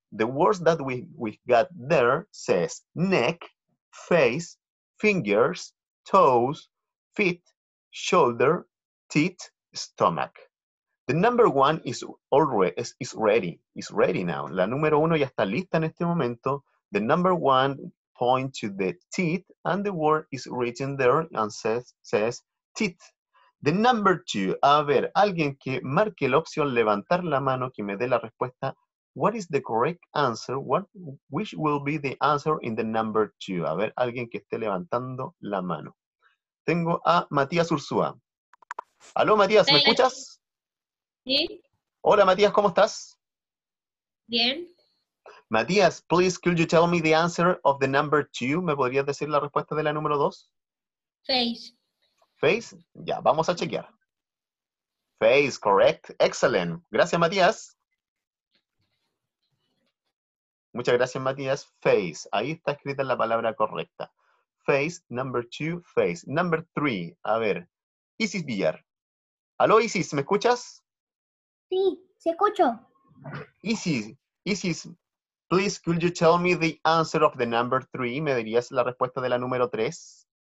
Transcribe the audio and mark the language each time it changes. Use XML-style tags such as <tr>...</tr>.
<en>The words that we got there says neck, face, fingers, toes, feet, shoulder, teeth, stomach. The number one is already is ready. Is ready now.</en> <es>La número uno ya está lista en este momento.</es> <en>The number one point to the teeth and the word is written there and says teeth. The number two,</en> <es>a ver, alguien que marque la opción levantar la mano que me dé la respuesta.</es> <en>What is the correct answer? Which will be the answer in the number two?</en> <es>A ver, alguien que esté levantando la mano. Tengo a Matías Ursúa. Aló, Matías, ¿me escuchas? Sí. Hola, Matías, ¿cómo estás? Bien.</es> <en>Matías, please, could you tell me the answer of the number two?</en> <es>¿Me podrías decir la respuesta de la número dos?</es> <en>Face.</en> <es>Face, ya, vamos a chequear. Face,</es> <en>correct, excellent.</en> <es>Gracias, Matías. Muchas gracias, Matías. Face, ahí está escrita la palabra correcta.</es> <en>Face, number two, face. Number three,</en> <es>a ver,</es> <en>Isis Villar.</en> <es>Aló, Isis, ¿me escuchas? Sí, se escucho.</es> <en>Isis, please, could you tell me the answer of the number three?</en> <es>¿Me dirías la respuesta de la número tres?</es>